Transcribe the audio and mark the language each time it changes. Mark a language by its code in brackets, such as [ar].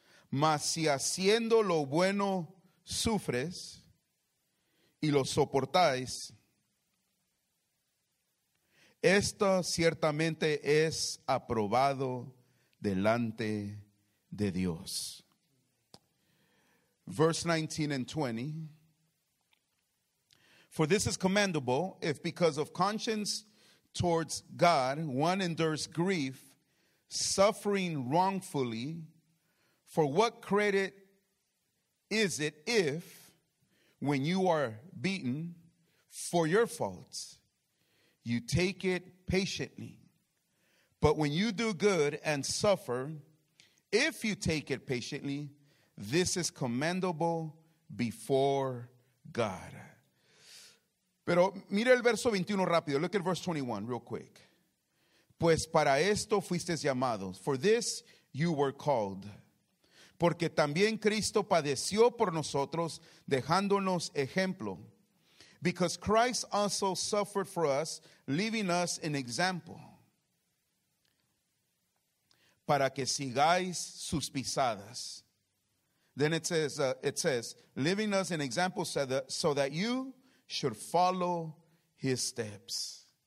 [es] Mas si haciendo lo bueno sufres y lo soportáis, esto ciertamente es aprobado delante de Dios. [en] Verse 19 and 20. For this is commendable, if because of conscience towards God, one endures grief, suffering wrongfully. For what credit is it if, when you are beaten for your faults, you take it patiently? But when you do good and suffer, if you take it patiently, this is commendable before God. [es] Pero mira el verso 21 rápido. [en] Look at verse 21 real quick. [es] Pues para esto fuisteis llamados. [en] For this you were called. [es] Porque también Cristo padeció por nosotros, dejándonos ejemplo. [en] Because Christ also suffered for us, leaving us an example. [es] Para que sigáis sus pisadas. [en] Then it says, leaving us an example so that you should follow his steps.